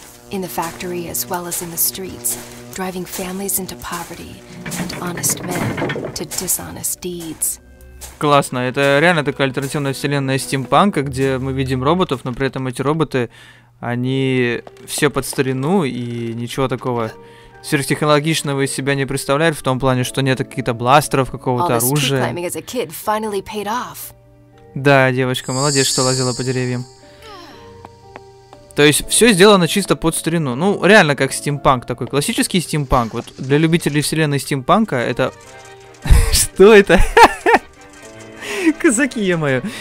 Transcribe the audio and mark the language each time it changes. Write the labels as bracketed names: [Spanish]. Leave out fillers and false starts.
[English] In the factory, as well as in the streets, driving families into poverty and honest men to dishonest deeds. [Russian] Классно, это реально такая альтернативная вселенная стимпанка, где мы видим роботов, но при этом эти роботы, они все под старину и ничего такого сверхтехнологичного из себя не представляют, в том плане, что нет каких-то бластеров, какого-то оружия. [English] All this tree climbing as a kid finally paid off. [Russian] Да, девочка, молодец, что лазила по деревьям. То есть все сделано чисто под старину. Ну, реально как стимпанк такой. Классический стимпанк. Вот для любителей вселенной стимпанка это... Кто это? Казаки, ё-моё.